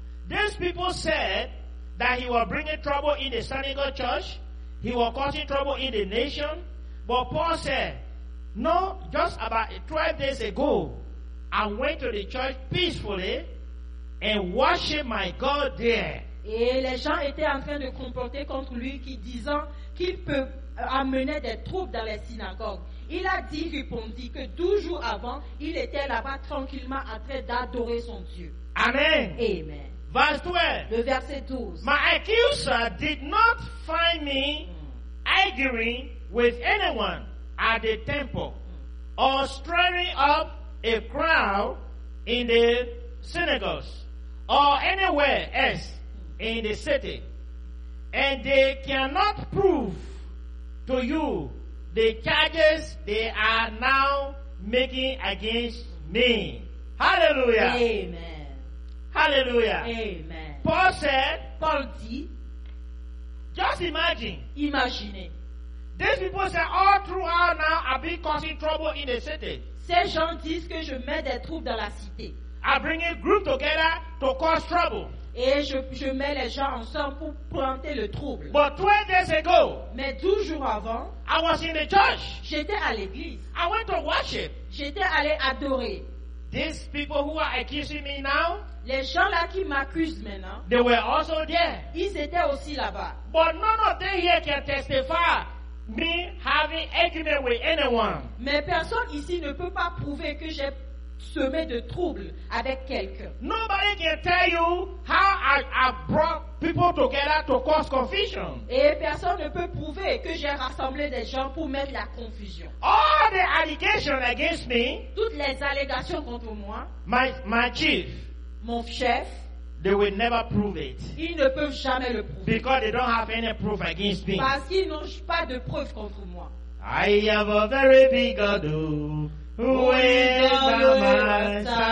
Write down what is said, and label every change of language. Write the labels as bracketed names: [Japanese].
[English] These people said that he was bringing trouble in the synagogue church. He was causing trouble in the nation. But Paul said, no, just about 12 days ago, I went to the church peacefully and worshiped my God there. [French] Et les gens étaient en train de comporter contre lui qui disant qu'il peut amener des troubles dans les synagogues. Il a dit, répondit, que 12 jours avant, il était là-bas tranquillement en train d'adorer son Dieu. Amen. Amen. [English] Verse 12. [French] Le verset 12. [English] My accuser did not find me arguing with anyone at the temple or stirring up a crowd in the synagogues or anywhere else in the city. And they cannot prove to you the charges they are now making against me. Hallelujah. Amen. Hallelujah. Amen. Paul said, [French] Paul dit, [English] just imagine. [French] Imaginez. [English] These people say all throughout now I've been causing trouble in the city. [French] Ces gens disent que je mets des troubles dans la cité. [English] I bring a group together to cause trouble. [French] Et je mets les gens ensemble pour planter le trouble. [English] But 12 days ago, [French] mais 12 jours avant, [English] I was in the church. [French] J'étais à l'église. [English] I went to worship. [French] J'étais allé adorer. [English] These people who are accusing me now, [French] les gens là qui m'accusent maintenant, [English] they were also there. [French] Ils étaient aussi là-bas. [English] But none of them here can testify me having argument with anyone. [French] Mais personne ici ne peut pas prouver que j'ai semé de troubles avec quelqu'un. [English] Nobody can tell you how I brought people together to cause confusion. [French] Et personne ne peut prouver que j'ai rassemblé des gens pour mettre la confusion. [English] All the allegations against me, [French] toutes les allégations contre moi, [English] my chief, [French] mon chef, [English] they will never prove it. [French] Ils ne peuvent jamais le prouver. [English] Because they don't have any proof against me. [French] Parce qu'ils n'ont pas de preuve contre moi. [English] I have a very big God who is my